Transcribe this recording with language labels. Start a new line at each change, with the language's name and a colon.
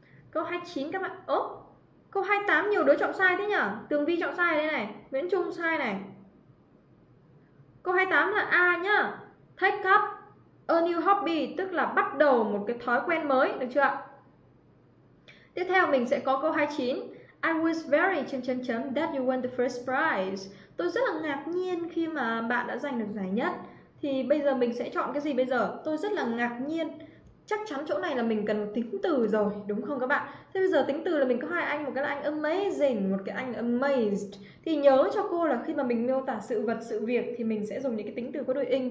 Vietnamese: Câu 29 các bạn, ố? Câu 28 nhiều đứa chọn sai thế nhỉ? Tường Vi chọn sai đây này, Nguyễn Trung sai này. Câu 28 là A nhá.
English: Take up a new hobby,
Vietnamese: tức là bắt đầu một cái thói quen mới, được chưa ạ? Tiếp theo mình sẽ có câu 29.
English: I was very that you won the first prize.
Vietnamese: Tôi rất là ngạc nhiên khi mà bạn đã giành được giải nhất. Thì bây giờ mình sẽ chọn cái gì bây giờ? Tôi rất là ngạc nhiên. Chắc chắn chỗ này là mình cần tính từ rồi, đúng không các bạn? Thế bây giờ tính từ là mình có hai anh, một cái là anh amazing, một cái anh amazed. Thì nhớ cho cô là khi mà mình miêu tả sự vật, sự việc thì mình sẽ dùng những cái tính từ có đối ứng.